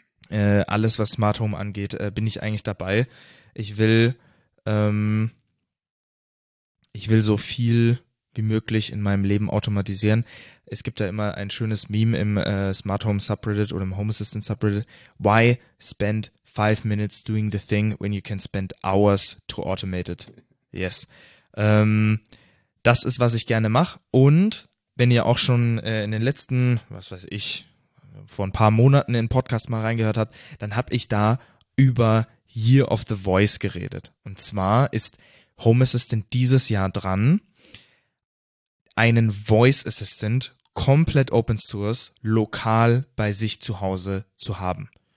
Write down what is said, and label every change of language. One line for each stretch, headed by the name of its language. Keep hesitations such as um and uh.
German: Äh, alles, was Smart Home angeht, äh, bin ich eigentlich dabei. Ich will, ähm, ich will so viel wie möglich in meinem Leben automatisieren es gibt da immer ein schönes Meme im äh, Smart Home Subreddit oder im Home Assistant Subreddit.
English: Why spend five minutes doing the thing when you can spend hours to automate it? Yes.
German: Ähm, das ist, was ich gerne mache. Und wenn ihr auch schon äh, in den letzten, was weiß ich, vor ein paar Monaten in den Podcast mal reingehört hat, dann habe ich da über Year of the Voice geredet. Und zwar ist Home Assistant dieses Jahr dran, einen Voice Assistant komplett Open Source lokal bei sich zu Hause zu haben.